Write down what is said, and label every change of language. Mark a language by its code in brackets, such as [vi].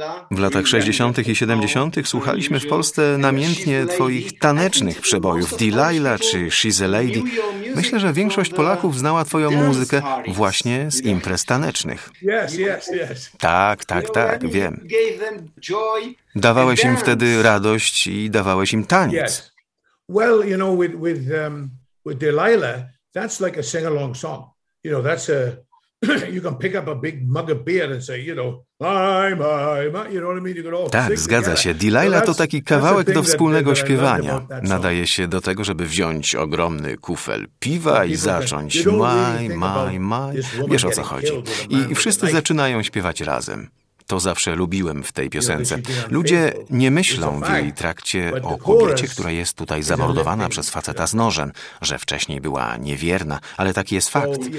[pl] W latach 60. i 70. słuchaliśmy w Polsce namiętnie twoich tanecznych przebojów, Delilah czy She's a Lady. Myślę, że większość Polaków znała twoją muzykę właśnie z imprez tanecznych. Tak, tak, tak, wiem. Dawałeś im wtedy radość i dawałeś im taniec. [en] Well, you know, with Delilah, that's like a sing-along song. You know, that's a you can pick up a big mug of beer and say, you know, my, you know what I mean? You can all [pl] tak, zgadza [en] together. [pl] Się. Delilah so to taki kawałek do wspólnego śpiewania. Nadaje się do tego, żeby wziąć ogromny kufel piwa i zacząć my. Wiesz, o co chodzi. I wszyscy zaczynają śpiewać razem. To zawsze lubiłem w tej piosence. Ludzie nie myślą w jej trakcie o kobiecie, która jest tutaj zamordowana przez faceta z nożem, że wcześniej była niewierna, ale taki jest fakt.